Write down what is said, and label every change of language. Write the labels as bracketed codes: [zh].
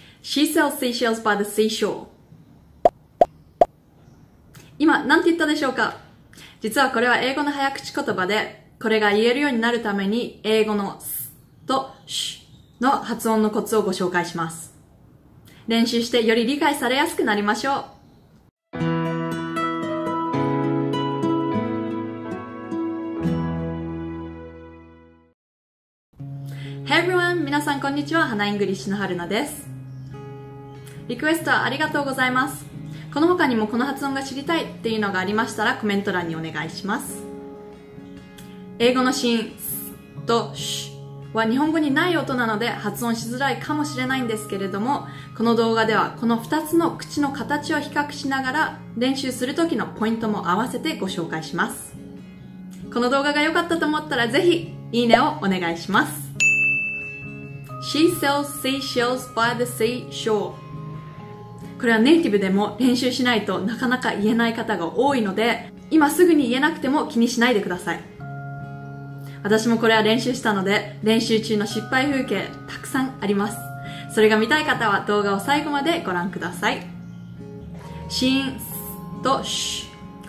[en] She sells seashells by the seashore. [ja] 今、なんて言ったでしょうか？実はこれは英語の早口言葉で、これが言えるようになるために、英語のスとシュの発音のコツをご紹介します。練習してより理解されやすくなりましょう。 [en] Hey everyone! [ja] 皆さんこんにちは。花イングリッシュの春菜です。リクエストありがとうございます。この他にもこの発音が知りたいっていうのがありましたらコメント欄にお願いします。英語のシーン、スとシュは日本語にない音なので発音しづらいかもしれないんですけれども、この動画ではこの2つの口の形を比較しながら練習するときのポイントも合わせてご紹介します。この動画が良かったと思ったらぜひいいねをお願いします。 [en] She sells seashells by the seashore. [ja] これはネイティブでも練習しないとなかなか言えない方が多いので、今すぐに言えなくても気にしないでください。私もこれは練習したので、練習中の失敗風景たくさんあります。それが見たい方は動画を最後までご覧ください。シーン、スとシュ。